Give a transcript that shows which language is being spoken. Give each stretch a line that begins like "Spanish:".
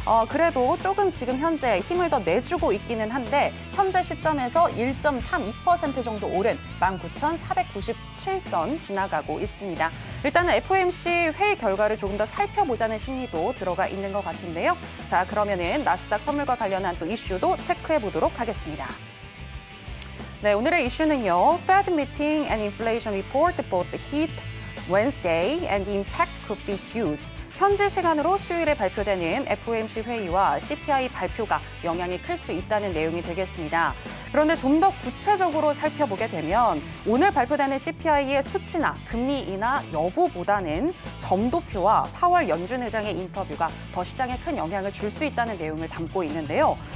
Korean: 그래도 조금 지금 현재 힘을 더 내주고 있기는 한데 현재 시점에서 1.32% 정도 오른 19,497선 지나가고 있습니다. 일단은 FOMC 회의 결과를 조금 더 살펴보자는 심리도 들어가 있는 것 같은데요. 자, 그러면은 나스닥 선물과 관련한 또 이슈도 체크해보도록 하겠습니다. 네, 오늘의 이슈는요.
English: Fed meeting and inflation report both hit Wednesday and the impact could be huge.
Korean: 현지 시간으로 수요일에 발표되는 FOMC 회의와 CPI 발표가 영향이 클 수 있다는 내용이 되겠습니다. 그런데 좀 더 구체적으로 살펴보게 되면 오늘 발표되는 CPI의 수치나 금리이나 여부보다는 점도표와 파월 연준 의장의 인터뷰가 더 시장에 큰 영향을 줄 수 있다는 내용을 담고 있는데요.